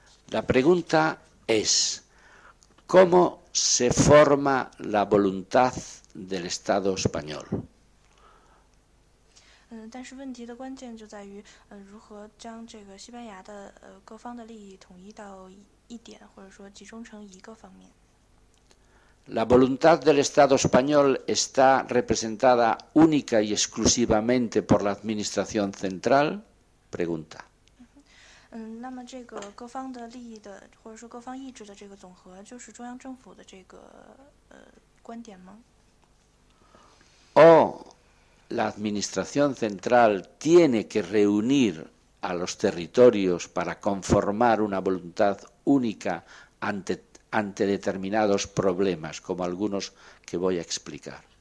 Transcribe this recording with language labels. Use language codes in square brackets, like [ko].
[es] La pregunta es, ¿cómo se forma la voluntad del Estado español? [zh] 但是问题的关键就在于，如何将这个西班牙的各方的利益统一到一点，或者说集中成一个方面。 [es] La voluntad del Estado español está representada única y exclusivamente por la administración central, pregunta. [zh] 那么这个各方的利益的或者说各方意志的这个总和就是中央政府的这个观点吗？ [es] ¿O la administración central tiene que reunir a los territorios para conformar una voluntad única ante determinados problemas, como algunos que voy a explicar?